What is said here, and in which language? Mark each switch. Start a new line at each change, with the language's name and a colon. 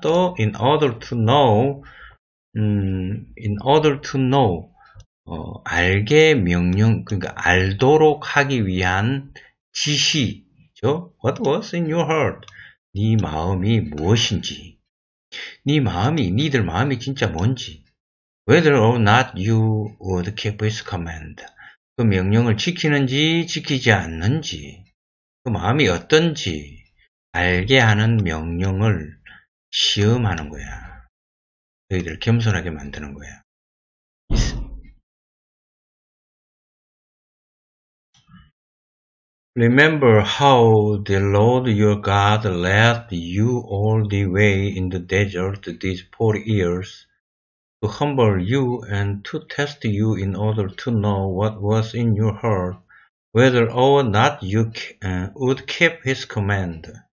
English: 또 in order to know. In order to know.
Korean: 알게 명령. 그러니까 알도록 하기 위한 지시죠.
English: What was in your heart?
Korean: 네 마음이 무엇인지. 네 마음이, 니들 마음이 진짜 뭔지.
English: Whether or not you would keep his command.
Korean: 그 명령을 지키는지 지키지 않는지 그 마음이 어떤지 알게 하는 명령을 시험하는 거야. 너희들 겸손하게 만드는 거야. 있어.
English: Remember how the Lord your God led you all the way in the desert these 40 years. To humble you and to test you in order to know what was in your heart, whether or not you would keep his command.